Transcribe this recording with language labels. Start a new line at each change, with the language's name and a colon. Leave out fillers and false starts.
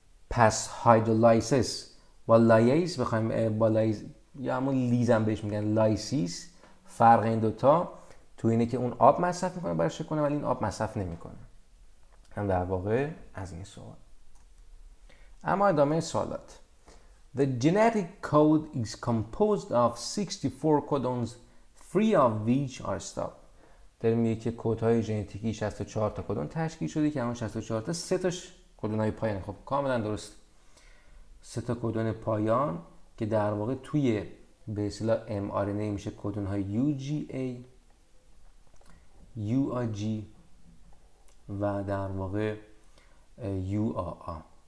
Persian: پس هایدرولیسیس با لایز بخوایم، با لایز یا همون لیز هم بهش میگن لایسیس، فرق این دوتا تو اینه که اون آب مصرف میکنه برای شکنه ولی این آب مصرف نمیکنه، هم در واقع از این سوال. اما ادامه سوالات.
English: The genetic code is composed of 64 codons, 3 of which are stop.
Persian: در میگه که کدهای ژنتیکی 64 تا کدون تشکیل شده، که اون 64 تا سه تاش کدونای پایان. خب کاملا درست، سه تا کدون پایان که در واقع توی به اصطلاح ام آر ان ای میشه کدونهای یو جی ای، یو آر جی و در واقع یو آر آر.